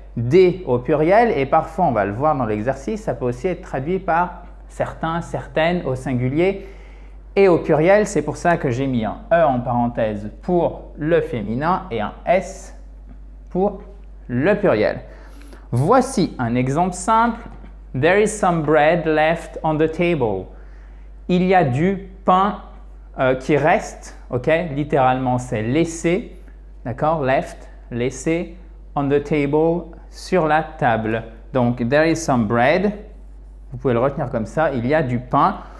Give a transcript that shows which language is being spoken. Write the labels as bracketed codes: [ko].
[fr] Des au pluriel et parfois on va le voir dans l'exercice, ça peut aussi être traduit par certains, certaines au singulier et au pluriel. C'est pour ça que j'ai mis un E en parenthèse pour le féminin et un S pour le pluriel. Voici un exemple simple. [en] There is some bread left on the table. [fr] Il y a du pain qui reste, ok? Littéralement, c'est laissé, d'accord? Left, laissé [en] on the table. [fr] Sur la table. Donc, [en] there is some bread. [fr] Vous pouvez le retenir comme ça. Il y a du pain.